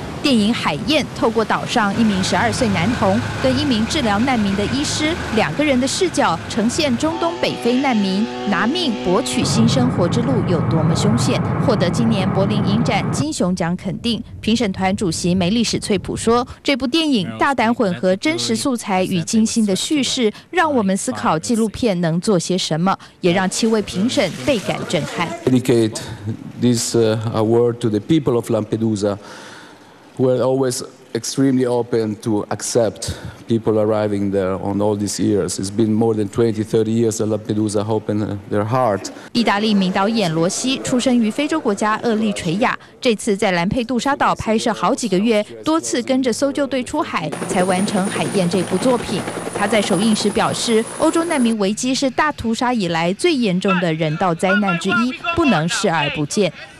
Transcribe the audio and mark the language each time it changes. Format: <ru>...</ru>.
<zh>电影《海燕》透过岛上一名12岁男童跟一名治疗难民的医师两个人的视角，呈现中东北非难民拿命博取新生活之路有多么凶险，获得今年柏林影展金熊奖肯定。评审团主席梅丽史翠普说，这部电影大胆混合真实素材与精心的叙事，让我们思考纪录片能做些什么，也让七位评审倍感震撼。</zh> <en>Dedicate this award to the people of Lampedusa We're always extremely open to accept people arriving there on all these years. It's been more than 20, 30 years that Lampedusa opened their heart.</en> <zh>意大利名导演罗西出生于非洲国家厄立垂亚，这次在兰佩杜莎岛拍摄好几个月，多次跟着搜救队出海，才完成《海燕》这部作品。他在首映时表示，欧洲难民危机是大屠杀以来最严重的人道灾难之一，不能视而不见。</zh>